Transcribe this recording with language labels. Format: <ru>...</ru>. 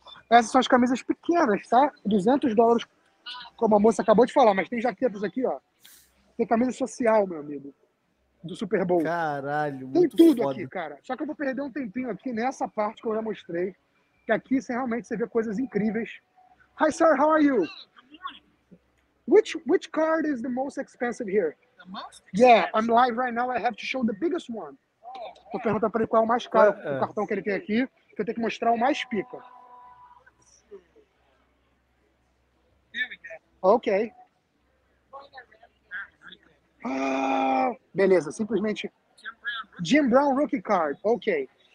<pt>Essas são as camisas pequenas, tá? $200, como a moça acabou de falar, mas tem jaquetas aqui, ó. Tem camisa social, meu amigo, do Super Bowl. Caralho, muito foda. Tem tudo aqui, cara. Só que eu vou perder um tempinho aqui nessa parte que eu já mostrei, que aqui você realmente vê coisas incríveis.</pt> <en>Hi, sir, how are you? Which card is the most expensive here? Yeah, I'm live right now. I have to show the biggest one.</en> <pt>Tô perguntando pra ele qual é o mais caro, o cartão que ele tem aqui, que eu tenho que mostrar o mais pica.</pt> <en>Ok.</en> <pt>Ah, beleza, simplesmente... Jim Brown Rookie Card, ok.</pt>